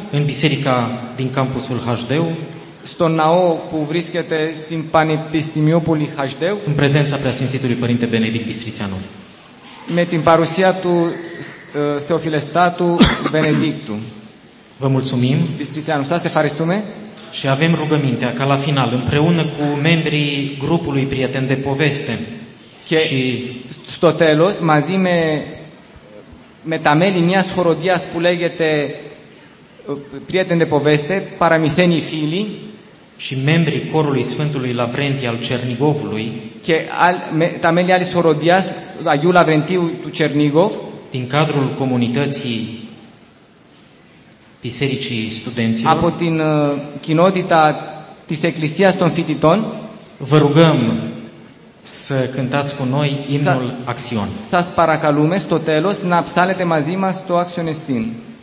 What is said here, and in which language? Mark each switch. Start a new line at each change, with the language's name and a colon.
Romanian: În Biserica din campusul HDU.
Greek: Στον ναό που βρίσκεται στην Πανεπιστημιούπολη HDU.
Romanian: În prezența preasfințitului părinte Benedict Bistrițianu.
Greek: με την παρουσία του Θεοφιλεστάτου Βενεδίκτου.
Romanian: Vă mulțumim. Bistrițeanu, să se
Greek: ευχαριστούμε.
Romanian: Și avem rugămintea ca la final împreună cu membrii grupului Prieten de Poveste.
Greek: Και și στο τέλος μαζί με τα μέλη μιας χοροδίας που λέγεται Prieten de Poveste, παραμυθένοι φίλοι,
Romanian: și membrii corului Sfântului Lavrentii al Cernigovului,
Greek: και τα μέλη άλλης χοροδίας Αγίου Λαβρεντίου του Τσερνίγοβ,
Romanian: din cadrul comunității Bisericii Studenților,
Greek: από την κοινότητα της Εκκλησίας των Φοιτητών,
Romanian: vă rugăm să cântați cu noi imnul Axion.
Greek: Σας παρακαλούμε στο τέλος να ψάλετε μαζί μας το Αξιονιστήν.